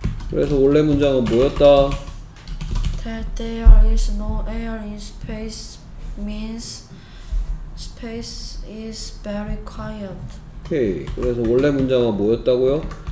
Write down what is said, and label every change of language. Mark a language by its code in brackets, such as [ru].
[ko] 그래서 원래 문장은 뭐였다? [en] That there is no air in space means space is very quiet. [ko] 오케이. 그래서 원래 문장은 뭐였다고요?